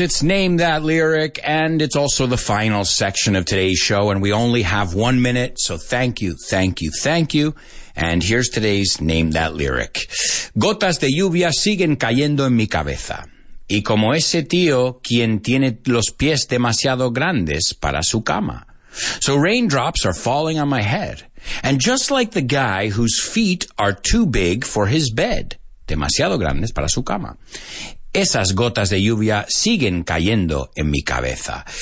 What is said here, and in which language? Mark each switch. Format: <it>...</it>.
<en>It's Name That Lyric, and it's also the final section of today's show, and we only have 1 minute, so thank you, thank you, thank you. And here's today's Name That Lyric.</en> <es>Gotas de lluvia siguen cayendo en mi cabeza. Y como ese tío quien tiene los pies demasiado grandes para su cama.</es> <en>So raindrops are falling on my head. And just like the guy whose feet are too big for his bed.</en> <es>Demasiado grandes para su cama. Esas gotas de lluvia siguen cayendo en mi cabeza.</es>